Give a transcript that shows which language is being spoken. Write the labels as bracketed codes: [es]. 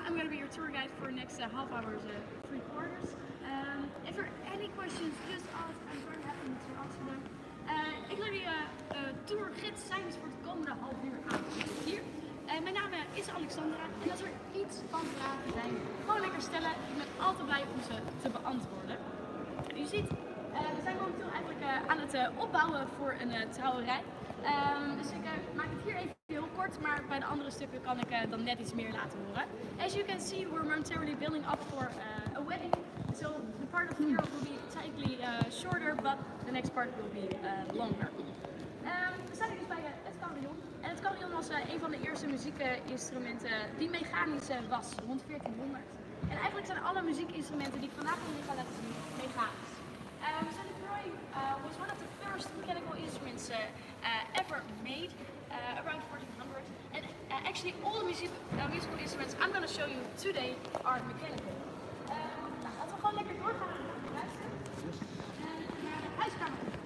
[en] I'm going to be your tour guide for the next half hour, three quarters. If there are any questions, just ask. I'm very happy to answer them. [nl] Ik wil jullie tourgids zijn voor de komende half uur avond hier. Mijn naam is Alexandra en als er iets van vragen zijn, gewoon lekker stellen. Ik ben altijd blij om ze te beantwoorden. U ziet, we zijn momenteel eigenlijk aan het opbouwen voor een trouwerij. Dus ik maak het hier even heel kort, maar bij de andere stukken kan ik dan net iets meer laten horen. [en] As you can see, we're momentarily building up for a wedding. So the part of the year will be slightly shorter, but the next part will be longer. [nl] We staan dus bij het carillon. En het carillon was een van de eerste muziekinstrumenten die mechanisch was, rond 1400. En eigenlijk zijn alle muziekinstrumenten die ik vandaag aan jullie ga laten zien, mechanisch. [en] So the drawing was one of the first mechanical instruments ever made, around 1400. And actually all the musical instruments I'm going to show you today are mechanical. [nl] Laten we gewoon lekker doorgaan naar de huiskamer.